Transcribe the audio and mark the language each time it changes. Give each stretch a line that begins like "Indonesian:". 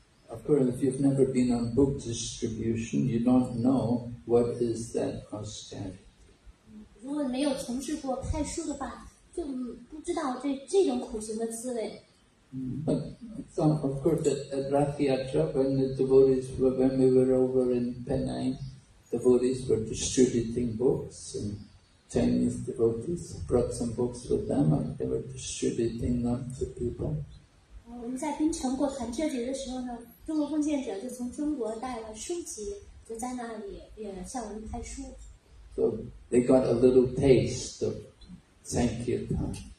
English: of course, if you've never been on book distribution, you don't know what is that austerity.
Chinese: 如果没有从事过派书的话，就不知道这种苦行的滋味。
English: But some, of course, at Rathiatra, when the devotees were, when we were over in Penang, devotees were distributing books, and Chinese devotees brought some books with them, and they were distributing them to people.
Chinese: 我们在槟城过团车节的时候呢，中国奉献者就从中国带了书籍，就在那里也向我们派书。
English: So they got a little taste of Sankirtan.